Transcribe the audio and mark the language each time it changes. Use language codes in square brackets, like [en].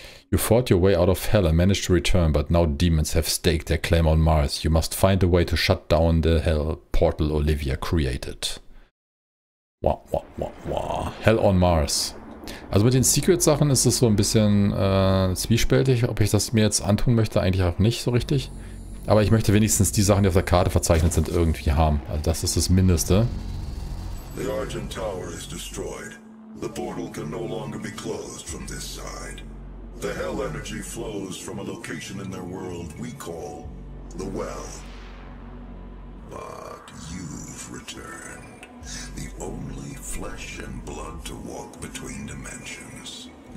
[en] You fought your way out of hell and managed to return, but now demons have staked their claim on Mars. You must find a way to shut down the hell portal Olivia created. Wah, wah, wah, wah. Hell on Mars. [de] Also mit den Secret-Sachen ist es so ein bisschen zwiespältig, ob ich das mir jetzt antun möchte, eigentlich auch nicht so richtig. Aber ich möchte wenigstens die Sachen, die auf der Karte verzeichnet sind, irgendwie haben. Also das ist das Mindeste. [en] The Argent Tower is destroyed. The portal can no longer be closed from this side. The hell energy flows from a location in their world we call the Well. But you've returned. The only flesh and blood to walk between dimensions.